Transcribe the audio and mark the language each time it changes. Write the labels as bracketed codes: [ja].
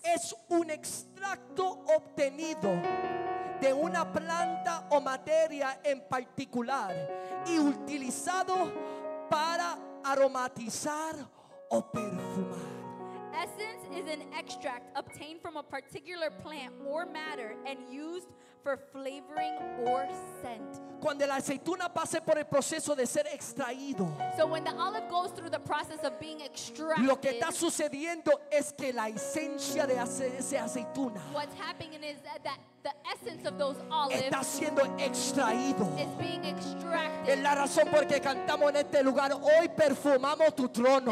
[es] Es un extracto obtenido de una planta o materia en particular y utilizado para aromatizar o perfumar. [en] Essence is an extract obtained from a particular plant or matter and used for flavoring or scent. [es] Cuando la aceituna pase por el proceso de ser extraído. [en] So when the olive goes through the process of being extracted. [es] Lo que está sucediendo es que la esencia de esa aceituna. [en] What's happening is that the essence of those olives [es] está siendo extraído. [en] Is being extracted. [es] Es la razón por que cantamos en este lugar hoy perfumamos tu trono.